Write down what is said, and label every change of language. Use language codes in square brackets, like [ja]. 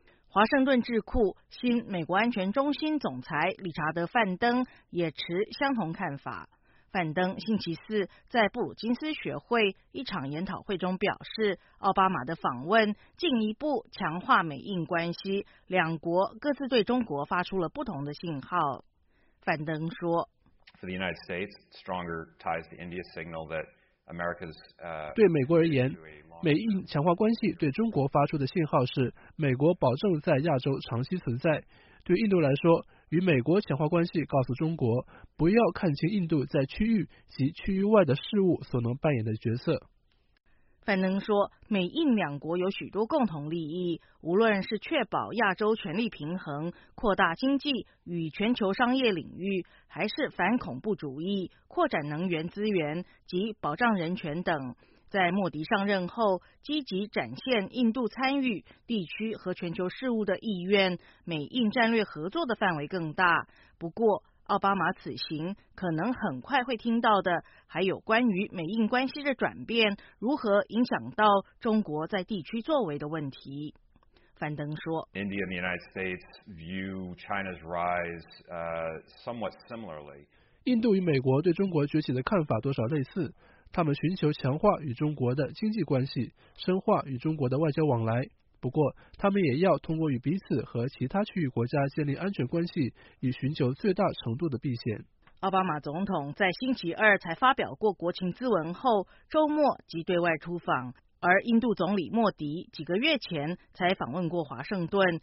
[zh] 华盛顿智库新美国安全中心总裁理查德·范登也持相同看法。范登星期四在布鲁金斯学会一场研讨会中表示，奥巴马的访问进一步强化美印关系，两国各自对中国发出了不同的信号。范登说， [en] For the United States, stronger ties to India signal that America's [zh] 对美国而言，美印强化关系对中国发出的信号是美国保证在亚洲长期存在。对印度来说，与美国强化关系告诉中国，不要看清印度在区域及区域外的事物所能扮演的角色。范登说，美印两国有许多共同利益，无论是确保亚洲权力平衡、扩大经济与全球商业领域，还是反恐怖主义、扩展能源资源及保障人权等。在莫迪上任后，积极展现印度参与地区和全球事务的意愿，美印战略合作的范围更大。不过，奥巴马此行可能很快会听到的还有关于美印关系的转变如何影响到中国在地区作为的问题。樊登说 [en] India and the United States view China's rise somewhat similarly. [zh] 印度与美国对中国崛起的看法多少类似，他们寻求强化与中国的经济关系，深化与中国的外交往来。不过他们也要通过与彼此和其他区域国家建立安全关系，以寻求最大程度的避险。奥巴马总统在星期二才发表过国情咨文后，周末即对外出访，而印度总理莫迪几个月前才访问过华盛顿。